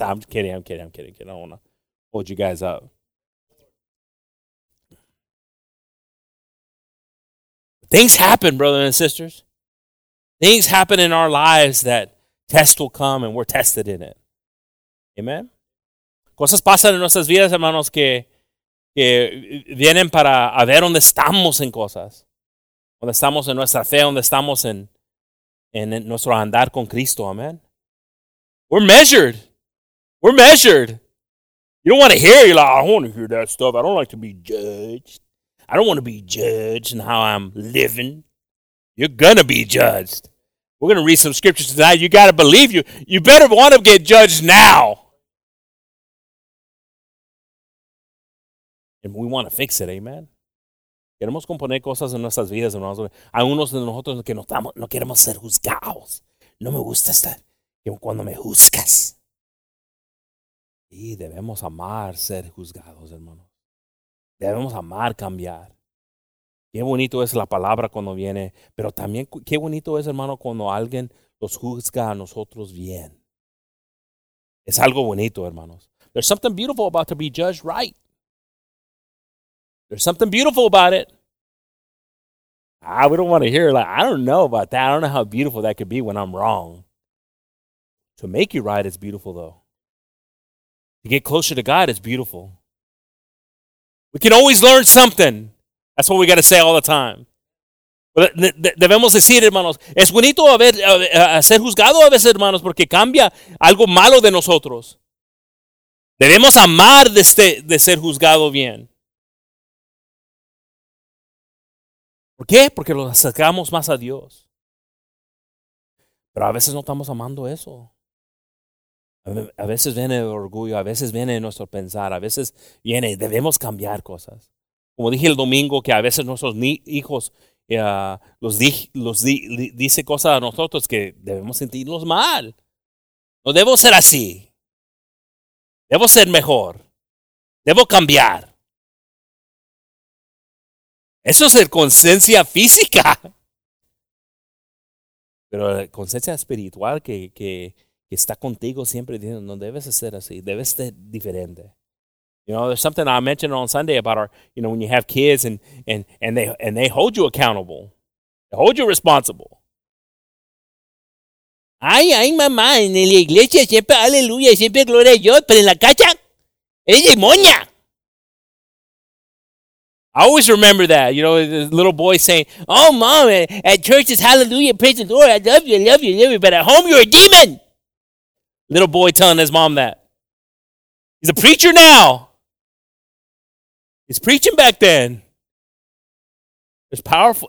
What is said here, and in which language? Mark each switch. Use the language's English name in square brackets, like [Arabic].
[English] I'm kidding. I don't want to hold you guys up. Things happen, brothers and sisters. Things happen in our lives that tests will come and we're tested in it. Amen. [Spanish] Cosas pasan en nuestras vidas, hermanos, que vienen para a ver dónde estamos en cosas. Dónde estamos en nuestra fe, dónde estamos en nuestro andar con Cristo. [English] Amen. We're measured. We're measured. You don't want to hear it. You're like, I don't want to hear that stuff. I don't like to be judged. I don't want to be judged in how I'm living. You're going to be judged. We're going to read some scriptures tonight. You got to believe you. You better want to get judged now. And we want to fix it, amen? [Spanish] Queremos componer cosas en nuestras vidas, hermanos. Hay unos de nosotros que no queremos ser juzgados. No me gusta estar cuando me juzgas. Y debemos amar ser juzgados, hermanos. Debemos amar cambiar. Qué bonito es la palabra cuando viene, pero también qué bonito es, hermano, cuando alguien los juzga a nosotros bien. Es algo bonito, hermanos. [English] There's something beautiful about to be judged right. There's something beautiful about it. We don't want to hear it. Like, I don't know about that. I don't know how beautiful that could be when I'm wrong. To make you right is beautiful, though. To get closer to God is beautiful. We can always learn something. That's what we got to say all the time. [Spanish] Debemos decir, hermanos, es bonito ser juzgado a veces, hermanos, porque cambia algo malo de nosotros. Debemos amar de ser juzgado bien. ¿Por qué? Porque nos acercamos más a Dios. Pero a veces no estamos amando eso. A veces viene el orgullo, a veces viene nuestro pensar, a veces viene, debemos cambiar cosas. Como dije el domingo, que a veces nuestros hijos dice cosas a nosotros que debemos sentirnos mal. No debo ser así. Debo ser mejor. Debo cambiar. Eso es el conciencia física. Pero la conciencia espiritual que está contigo siempre diciendo, no debes ser así, debes ser diferente. [English] You know, there's something I mentioned on Sunday about our, you know, when you have kids and they hold you accountable. They hold you responsible. [Spanish] Ay, mamá, en la iglesia siempre, aleluya, siempre gloria a Dios, pero en la casa, es demonia. [English] I always remember that, you know, the little boy saying, oh, mom, at church is hallelujah, praise the Lord, I love you, but at home you're a demon. Little boy telling his mom that. He's a preacher now. He's preaching back then. It's powerful.